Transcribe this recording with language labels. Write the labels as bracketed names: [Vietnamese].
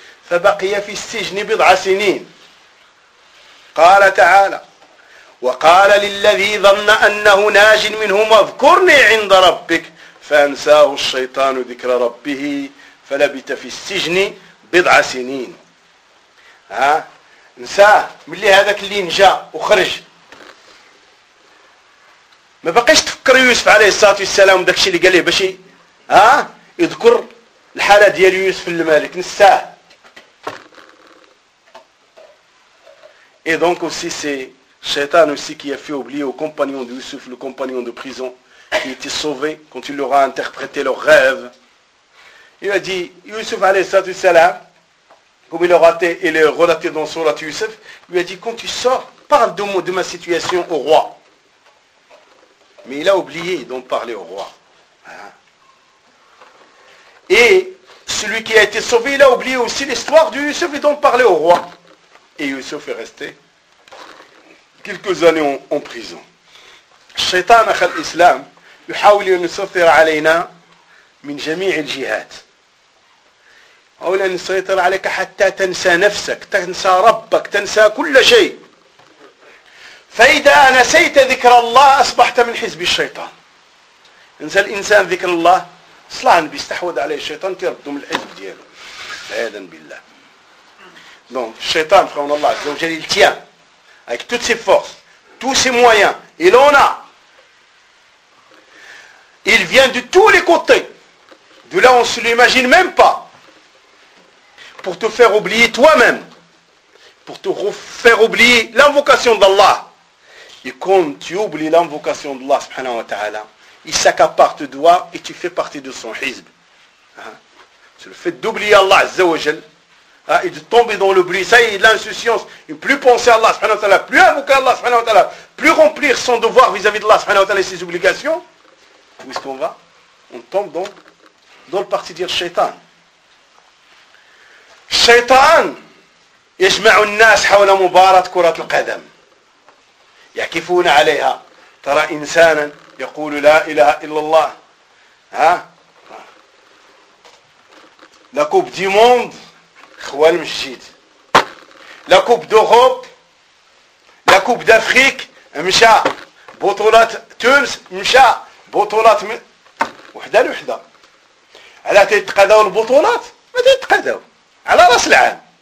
[Arabic] فبقي في السجن بضع سنين قال تعالى وقال للذي ظن أنه ناج منهما اذكرني عند ربك فأنساه الشيطان ذكر ربه فلبث في السجن بضع سنين ها نساه ملي هذاك اللي نجا وخرج ما بقيش تفكر يوسف عليه الصلاة والسلام داكشي اللي قال له باش ها يذكر الحالة ديال يوسف الملك نساه. [French] Et donc aussi c'est Shaitan aussi qui a fait oublier au compagnon de Yusuf, le compagnon de prison, qui était sauvé quand il leur a interprété leur rêve. Il a dit, Yusuf alayhi salam, comme il est relaté dans Surat Yusuf, il a dit, quand tu sors, parle de ma situation au roi. Mais il a oublié d'en parler au roi. Et celui qui a été sauvé, il a oublié aussi l'histoire de Yusuf et d'en parler au roi. Et Youssef est resté quelques années en prison. [Arabic] Shaitan akha l'islam, يحاول ان يسيطر علينا من جميع الجهات. حاول ان يسيطر عليك حتى تنسى نفسك, تنسى ربك, تنسى كل شيء. فاذا نسيت ذكر الله اصبحت من حزب الشيطان. انسى الانسان ذكر الله, صلاح بيستحوذ عليه الشيطان تيردو من الحزب ديالو. عياذا بالله. [French] Donc, Shaitan, frère en Allah, Zawjal, il tient avec toutes ses forces, tous ses moyens. Il en a. Il vient de tous les côtés. De là, on ne se l'imagine même pas. Pour te faire oublier toi-même. Pour te faire oublier l'invocation d'Allah. Et quand tu oublies l'invocation d'Allah, subhanahu wa ta'ala, il s'accapare de toi et tu fais partie de son hizb. Hein? C'est le fait d'oublier Allah Azza wa Jal, et de tomber dans le bris, ça y est, de l'insouciance, et plus penser à Allah subhanahu wa ta'ala, plus invoquer Allah subhanahu wa ta'ala, plus remplir son devoir vis-à-vis de Allah subhanahu wa ta'ala et ses obligations, où est-ce qu'on va? On tombe dans le parti dire shaitan. [Arabic] Shaitan, يجمعوا الناس حول مباراة كرة القدم يعكفون عليها ترى إنسانا يقول لا إله إلا الله ها لا كوب دي موند خوال مشيت لا كوب دوروب لا كوب دافريك مشى بطولة تونس مشى بطولة وحدة لوحدة على تيتقاداو البطولات ما تيتقاداو على راس العالم